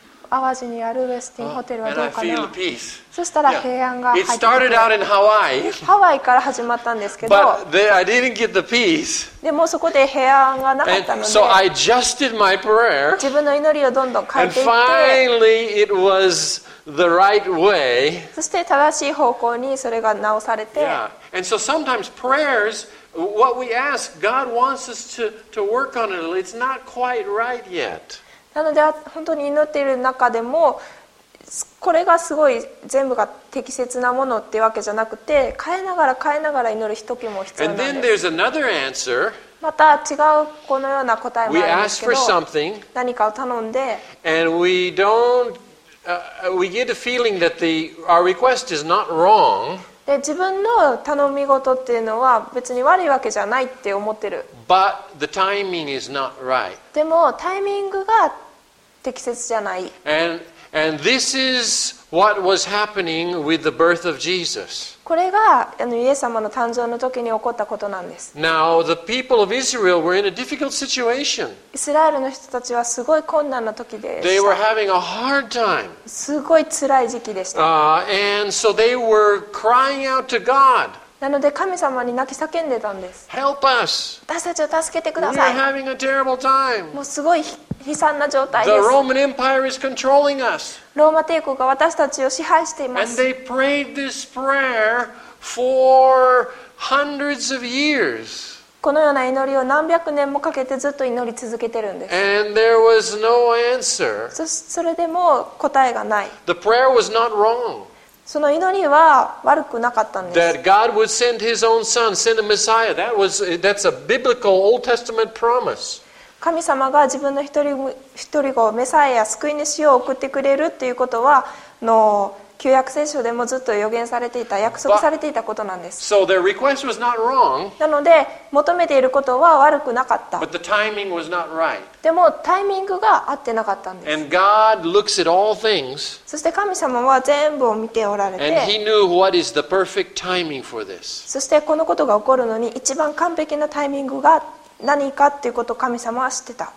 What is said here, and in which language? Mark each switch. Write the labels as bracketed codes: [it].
[ja] 淡路にあるウェスティンホテルはどうかな。 [en] And I feel peace. [ja] そしたら平安が入って [en] きた。It started out in Hawaii. [ja] ハワイから始まったんですけど、 [en] But they, I didn't get the peace. [ja] でもそこで平安がなかったので、 [en] So I adjusted my prayer. [ja] 自分の祈りをどんどん変えていって、 [en] And finally it was. The right way. [ja] そして正しい方向にそれが直されて、 [en] yeah. And so sometimes prayers, what we ask, God wants us to work on it. It's not quite right yet. [ja] なので本当に祈っている中でもこれがすごい全部が適切なものってわけじゃなくて変えながら変えながら祈る時も必要なんです。 [en] And then there's another answer. [ja] また違うこのような答えもあるんですけど、何かを頼んで、 [en] And we don'tWe get a feeling that our request is not wrong. [ja] で、自分の頼み事っていうのは別に悪いわけじゃないって思ってる。 [en] But the timing is not right. [ja] でもタイミングが適切じゃない。 [en] And this is what was happening with the birth of Jesus. [ja] これがイエス様の誕生の時に起こったことなんです。 [en] Now the people of Israel were in a difficult situation. [ja] イスラエルの人たちはすごい困難な時でした。 [en] They were having a hard time. [ja] すごい辛い時期でした。 [en] And so they were crying out to God. [ja] なので神様に泣き叫んでたんです。 [en] Help us. [ja] 私たちを助けてください。 [en] We're having a terrible time. [ja] もうすごい悲惨な状態です。 [en] The Roman Empire is controlling us. [ja] ローマ帝国が私たちを支配しています。 [en] And they prayed this prayer for hundreds of years. [ja] このような祈りを何百年もかけてずっと祈り続けてるんです。 [en] And there was no answer. [ja] それでも答えがない。 [en] The prayer was not wrong. [ja] その祈りは悪くなかったんです。 [en] That God would send His own Son, send a Messiah. That's a biblical Old Testament promise. [ja] 神様が自分の一人をメサイア、救い主を送ってくれるっていうことは、旧約聖書でもずっと予言されていた、約束されていたことなんです。 [en] So their request was not wrong. [ja] なので、求めていることは悪くなかった。 [en] But the timing was not right. [ja] でも、タイミングが合ってなかったんです。 [en] And God looks at all things. [ja] そして神様は全部を見ておられて、 [en] And he knew what is the perfect timing for this. [ja] そしてこのことが起こるのに、一番完璧なタイミングが何かっていうことを神様は知ってた。